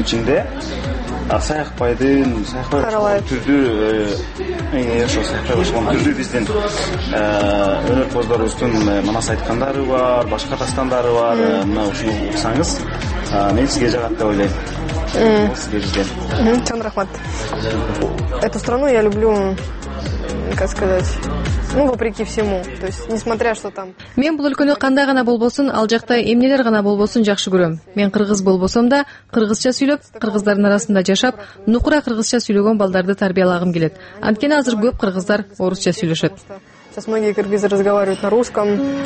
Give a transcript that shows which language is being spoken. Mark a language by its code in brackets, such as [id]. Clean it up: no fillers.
[ky] Ичинде Саякбайдын, Саякбай түрдү, ошо Саякбай болгон түрдү биздин өнөрпоздорубуздун манас айткандары бар, башка дастандары бар. Мына ушуну уксаңыз, мен сизге жагат деп ойлойм. Сизге жизден. Чоң рахмат. [ru] Эту страну я люблю, как сказать. Ну, вопреки всему, то есть несмотря что там. [ky] Мен бул өлкөнү кандай гана болбосун, ал жакта эмнелер гана болбосун жакшы көрөм. Мен кыргыз болбосом да, кыргызча сүйлөп, кыргыздардын арасында жашап, нукура кыргызча сүйлөгөн балдарды тарбиялагым келет. Анткени азыр көп кыргыздар орусча сүйлөшөт. [ru] Сейчас многие кыргызы разговаривают на русском.